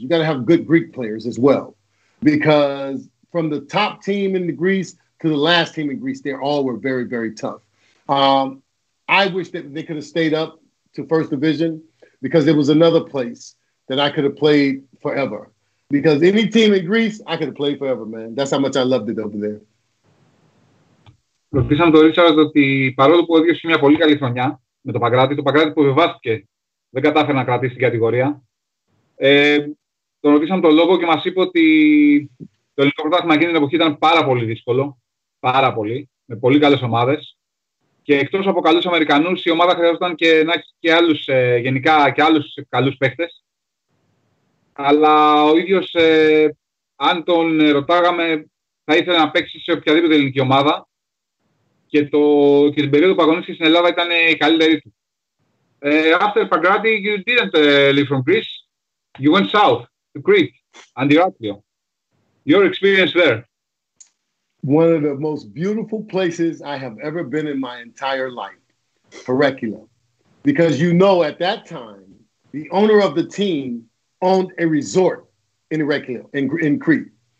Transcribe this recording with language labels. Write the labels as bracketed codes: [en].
[en] You got to have good Greek players as well. Because from the top team in Greece to the last team in Greece, they all were very, very tough. I wish that they could have stayed up to first division because it was another place that I could have played forever. Because any team in Greece, I could have played forever, man. That's how much I loved it over there. [el] Ρωτήσαμε τον Ρίτσαρντ ότι παρόλο που έδειξε μια πολύ καλή χρονιά με το Παγκράτη που βιβάστηκε, δεν κατάφερε να κρατήσει την κατηγορία. Τον ρωτήσαμε τον λόγο και μας είπε ότι το ελληνικό πρωτάθλημα εκείνη την εποχή ήταν πάρα πολύ δύσκολο. Πάρα πολύ. Με πολύ καλές ομάδες. Και εκτός από καλούς Αμερικανούς, η ομάδα χρειαζόταν και να έχει και άλλους, γενικά και άλλους καλούς παίχτες. Αλλά ο ίδιος, αν τον ρωτάγαμε, θα ήθελε να παίξει σε οποιαδήποτε ελληνική ομάδα. Και την περίοδο που αγωνίστηκε στην Ελλάδα ήταν η καλύτερη του. [en] After Pagrati, you didn't live from Greece. You went south, to Crete, Antiraklio. Your experience there. One of the most beautiful places I have ever been in my entire life, Heraklion. Because you know, at that time, the owner of the team owned a resort in Heraklion, in Crete.